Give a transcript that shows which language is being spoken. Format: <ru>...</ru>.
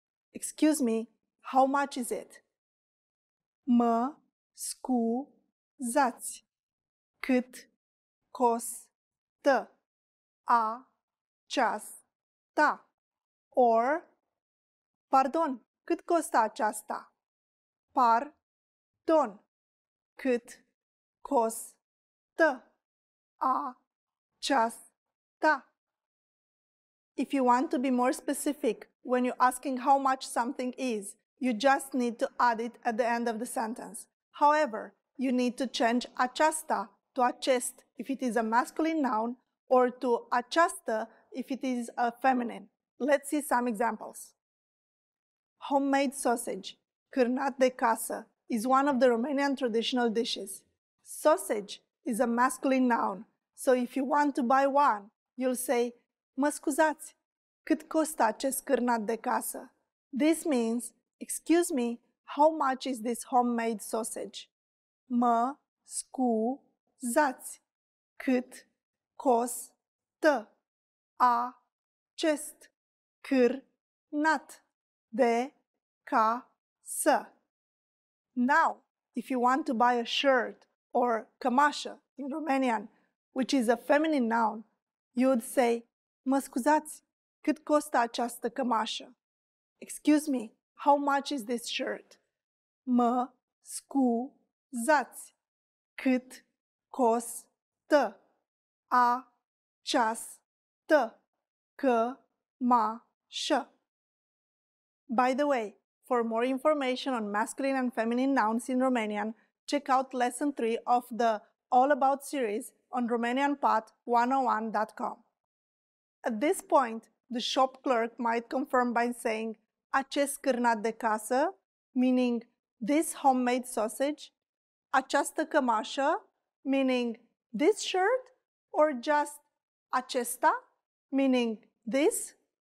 <en>Excuse me, how much is it?</en> <ro>Mă scuzați, cât costă aceasta? Or, pardon, cât costă aceasta? Pardon, cât costă aceasta?</ro> <en>If you want to be more specific, when you're asking how much something is, you just need to add it at the end of the sentence. However, you need to change aceasta to acest if it is a masculine noun or to aceasta if it is a feminine. Let's see some examples. Homemade sausage,</en> <ro>cârnat de casă,</ro> <en>is one of the Romanian traditional dishes. Sausage is a masculine noun. So if you want to buy one, you'll say,</en> <ro>mă scuzați, cât costă acest cârnat de casă?</ro> <en>This means, excuse me, how much is this homemade sausage?</en> <ro>Mă scuzați, cât costă acest cârnat de casă?</ro> <en>Now, if you want to buy a shirt or cămașă in Romanian, which is a feminine noun, you would say,</en> <ro>mă scuzați, cât costă această cămașă?</ro> <en>Excuse me, how much is this shirt?</en> <ro>Mă scuzați, cât costă această cămașă?</ro> <en>By the way, for more information on masculine and feminine nouns in Romanian, check out lesson 3 of the All About series on RomanianPod101.com. At this point, the shop clerk might confirm by saying</en> <ro>acest cârnat de casă,</ro> <en>meaning this homemade sausage,</en> <ro>această cămașă,</ro> <en>meaning this shirt, or just acesta, meaning this.</en>